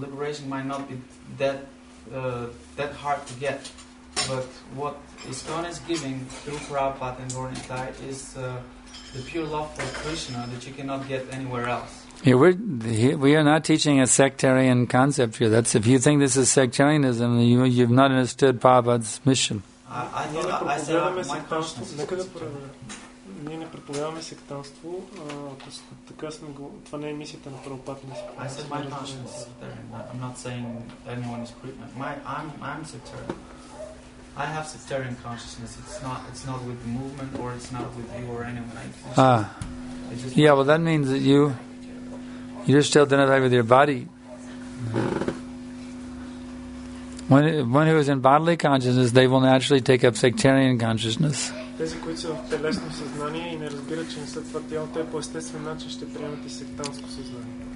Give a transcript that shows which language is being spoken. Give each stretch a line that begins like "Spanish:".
English: Liberation might not be that hard to get, but what ISKCON is giving through Prabhupada and Gaur Nithai is the pure love for Krishna that you cannot get anywhere else. Yeah, we are not teaching a sectarian concept here. That's if you think this is sectarianism, you've not understood Prabhupada's mission. I said my consciousness.
Bulgarian: ние не преповяваме сектанство, така сме го. Това не е мисията на Прабхупад.
English: I said my passion is sectarian. I'm not saying anyone is Christian. I'm sectarian. I have sectarian consciousness. It's not with the movement, or it's not with you or anyone. Yeah, well, that means that you're still identified with your body. One who is in bodily consciousness, they will naturally take up sectarian consciousness.
Bulgarian: Тези, които са в телесно съзнание и не разбират, че не са това тяло, те по естествен начин ще приемат и сектантско съзнание.